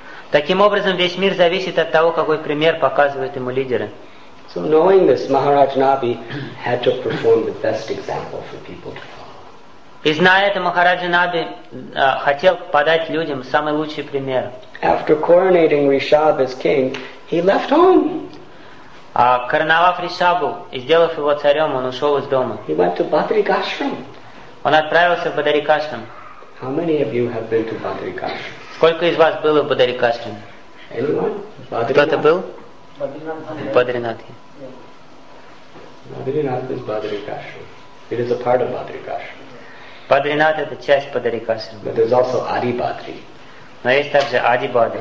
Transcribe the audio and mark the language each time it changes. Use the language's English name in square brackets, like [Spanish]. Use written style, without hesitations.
[Russian] Таким образом, весь мир зависит от того, какой пример показывают ему лидеры. [English] So knowing this, Maharaj Nabi had to perform the best example for people. [Russian] И зная это, Махараджа Наби хотел подать людям самый лучший пример. [English] After coronating Rishab as king, he left home. [Russian] Короновав Ришабу и сделав его царем, он ушел из дома. [English] He went to Badrikashram. [Russian] Он отправился в Бадрикашрам. [English] How many of you have been to Badrikashram? [Russian] Сколько из вас было в Бадрикашрам? [English] Anyone? [Russian] Кто-то был? Бадринатхи. [English] Бадринат is Badrikashram. It is a part of Badrikashram. [Russian] Бадринат это часть Бадрикашрама. [English] But there's also Adi Badri. [Russian] Но есть также Adi Badri.